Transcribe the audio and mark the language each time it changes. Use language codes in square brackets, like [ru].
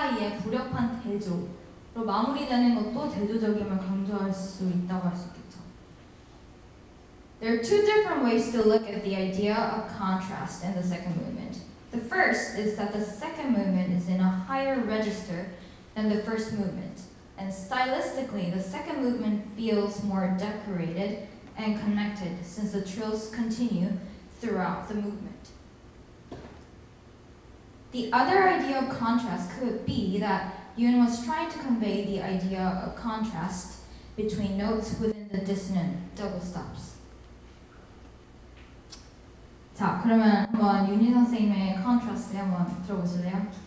[ko] 대조로 마무리되는 것도 대조적임을 강조할 수 있다고 할 수 있겠죠. [en] There are two different ways to look at the idea of contrast in the second movement. The first is that the second movement is in a higher register than the first movement, and stylistically, the second movement feels more decorated and connected since the trills continue throughout the movement. The other idea of contrast could be that Yun was trying to convey the idea of contrast between notes within the dissonant double stops. [ko] 자, 그러면 한번 윤희 선생님의 컨트라스트 한번 들어보실래요?